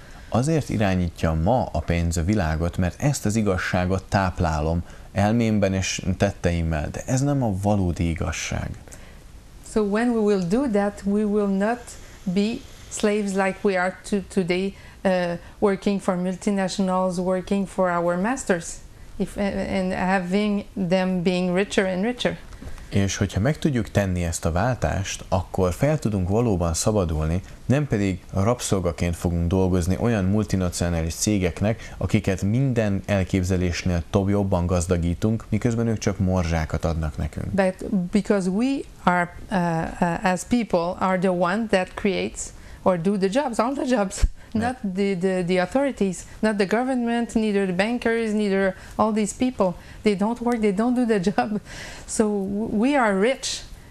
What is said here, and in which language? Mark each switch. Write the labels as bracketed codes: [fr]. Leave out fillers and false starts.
[hu] Azért irányítja ma a pénz a világot, mert ezt az igazságot táplálom elmémben és tetteimmel, de ez nem a valódi igazság. [en] So when we will do that, we will not be slaves like we are today, working for multinationals, working for our masters, and having them being richer and richer. [hu] És hogyha meg tudjuk tenni ezt a váltást, akkor fel tudunk valóban szabadulni, nem pedig rabszolgaként fogunk dolgozni olyan multinacionális cégeknek, akiket minden elképzelésnél több jobban gazdagítunk, miközben ők csak morzsákat adnak nekünk. [en] But because we are as people are the one that creates or do the jobs, all the jobs, not the authorities, not the government, neither the bankers, neither all these people. They don't work, they don't do the job. So we are rich.